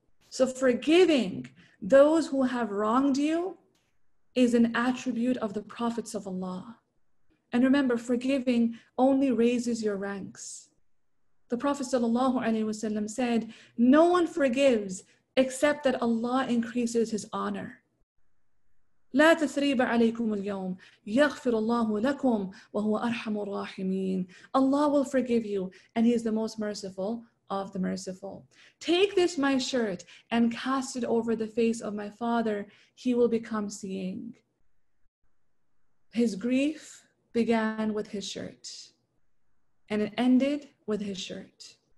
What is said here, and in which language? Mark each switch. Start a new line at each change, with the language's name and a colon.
English: So forgiving those who have wronged you is an attribute of the prophets of Allah. And remember, forgiving only raises your ranks. The Prophet sallallahu alaihi wasallam said, no one forgives except that Allah increases his honor.
Arabic: لا تثريب عليكم اليوم يغفر الله لكم وهو أرحم الراحمين.
English: Allah will forgive you and he is the most merciful of the merciful. Take this my shirt and cast it over the face of my father. He will become seeing. His grief began with his shirt and it ended with his shirt.